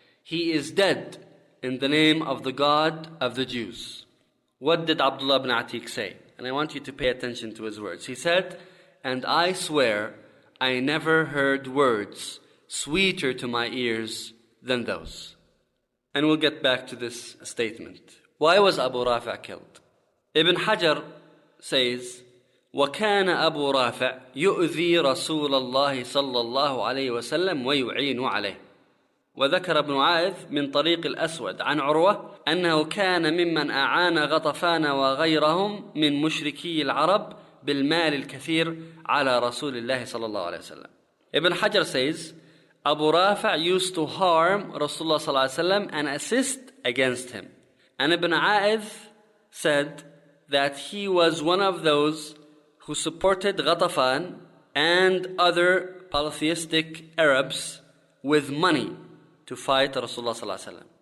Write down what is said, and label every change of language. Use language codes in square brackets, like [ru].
[en] He is dead in the name of the God of the Jews. What did Abdullah ibn Atik say? And I want you to pay attention to his words. He said, and I swear, I never heard words sweeter to my ears than those. And we'll get back to this statement. Why was Abu Rafa killed? Ibn Hajar says, [ar] وَكَانَ أَبُو رَافَعْ يُؤْذِي رَسُولَ اللَّهِ صَلَّى اللَّهُ عَلَيْهِ وَسَلَّمْ وَيُعِينُ عَلَيْهِ وذكر ابن عائذ من طريق الأسود عن عروة أنه كان ممن أعان غطفان وغيرهم من مشركي العرب بالمال الكثير على رسول الله صلى الله عليه وسلم. [en] Ibn Hajar says, Abu Rafa used to harm Rasulullah صلى الله عليه وسلم and assist against him. And Ibn عائذ said that he was one of those who supported غطفان and other polytheistic Arabs with money to fight Rasulullah sallallahu alaihi wasallam.